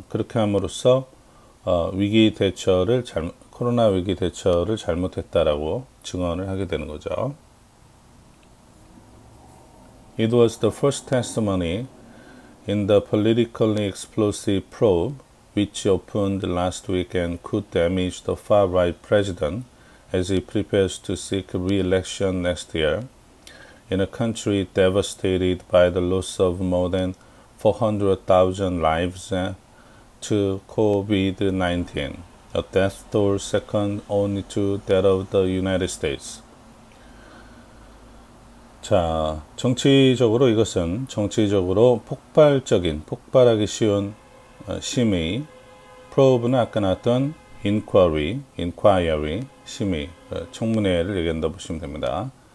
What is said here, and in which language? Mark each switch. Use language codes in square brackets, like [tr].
[ko] 그렇게 함으로써 코로나 위기 대처를 잘못했다라고 증언을 하게 되는 거죠. [en] It was the first testimony in the politically explosive probe, which opened last week and could damage the far-right president as he prepares to seek re-election next year in a country devastated by the loss of more than 400,000 lives to COVID-19, a death toll second only to that of the United States. [ko] 자, 정치적으로 이것은 정치적으로 폭발하기 쉬운 심의, 프로브는 아까 나왔던 inquiry, 심의, 청문회를 얘기한다 보시면 됩니다.